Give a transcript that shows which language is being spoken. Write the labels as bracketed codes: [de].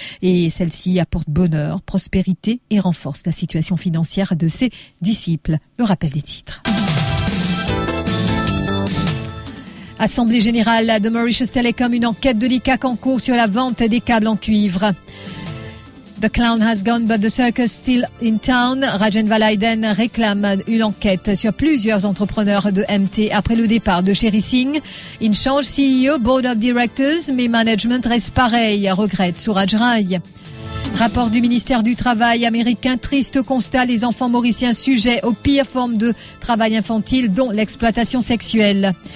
[fr] Et celle-ci apporte bonheur, prospérité et renforce la situation financière de ses disciples. Le rappel des titres. Assemblée générale de Mauritius Telecom, une enquête de l'ICAC en cours sur la vente des câbles en cuivre. [en] The clown has gone, but the circus still in town. [fr] Rajan Valaiden réclame une enquête sur plusieurs entrepreneurs de MT après le départ de Sherry Singh. Il change CEO, board of directors, mais management reste pareil, regrette Suraj Rai. Rapport du ministère du Travail américain, triste constat, les enfants mauriciens sujets aux pires formes de travail infantile, dont l'exploitation sexuelle.